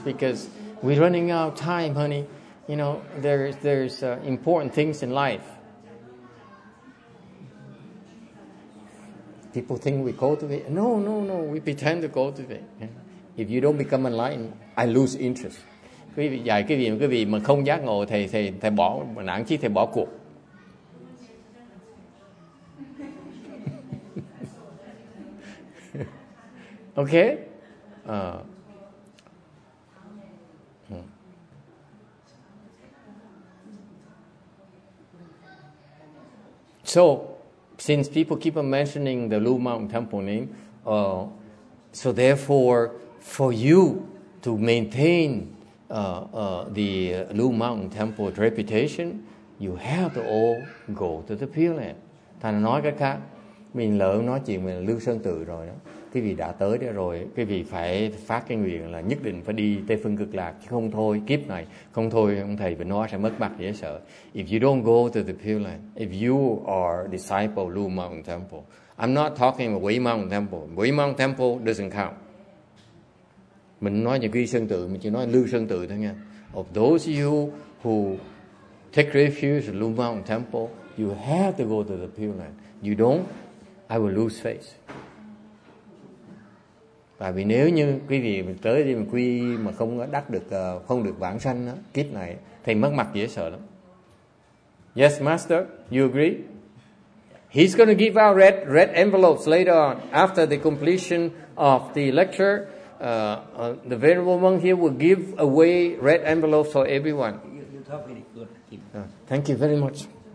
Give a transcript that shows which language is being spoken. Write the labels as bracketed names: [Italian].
[English] Because we're running out of time, honey. You know, there's important things in life. People think we cultivate. No. We pretend to cultivate. If you don't become enlightened, I lose interest. [Vietnamese] Quý vị mà không giác ngộ, thầy bỏ nản chí, thầy bỏ cuộc. [English] Okay. So since people keep on mentioning the Lu Mountain Temple name, so therefore, for you to maintain the Lu Mountain Temple reputation, you have to all go to the Pure Land. [Vietnamese] Thành nói cách khác, mình lỡ nói chuyện mình Lưu Sơn Tự rồi đó. Quý vị đã tới đây rồi, quý vị phải phát cái nguyện là nhất định phải đi Tây Phương Cực Lạc, chứ không thôi kiếp này, không thôi ông thầy vẫn nói sẽ mất mặt dễ sợ. [English] If you don't go to the Pure Land, if you are disciple Lu Mountain Temple, I'm not talking about Quỷ Mountain Temple. Quỷ Mountain Temple doesn't count. [Vietnamese] Mình nói những Quỷ Sơn Tự, mình chỉ nói Lưu Sơn Tự thôi nha. [English] Of those you who take refuge at Lu Mountain Temple, you have to go to the Pure Land. You don't, I will lose faith. [Vietnamese] Tại vì nếu như quý vị tới đây mà quy mà không đắc được, không được vãng sanh đó, kiếp này, thì mất mặt dễ sợ lắm. [English] Yes, Master, you agree? He's going to give out red envelopes later on after the completion of the lecture. The Venerable Monk here will give away red envelopes for everyone. You talk really good. Thank you very much.